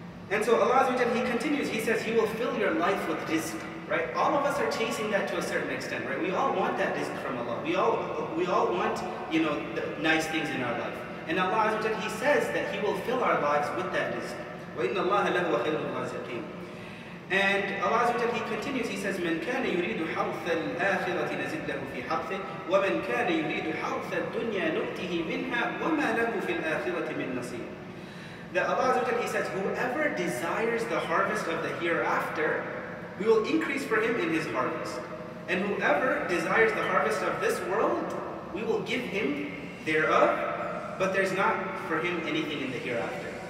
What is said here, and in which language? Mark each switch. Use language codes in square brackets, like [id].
[en] And so Allah, He continues, He says, He will fill your life with rizq. Right? All of us are chasing that to a certain extent, right? We all want that rizq from Allah. We all want, you know, the nice things in our life. And Allah, He says that He will fill our lives with that rizq. [ar] وَإِنَّ اللَّهَ لَهُوَ خَيْرُ الرَّازِقِينَ. [en] And Allah, He continues, He says, [ar] مَنْ كَانَ يُرِيدُ حَرْثَ الْآخِرَةِ نَزِدْ لَهُ فِي حَرْثِهِ وَمَنْ كَانَ يُرِيدُ حَرْثَ الدُّنْيَا نُؤْتِهِ مِنْهَا وَمَا لَهُ فِي الْآخِرَةِ مِنْ نَصِيرٍ. [en] That Allah, He says, whoever desires the harvest of the hereafter, we will increase for him in his harvest. And whoever desires the harvest of this world, we will give him thereof, but there's not for him anything in the hereafter.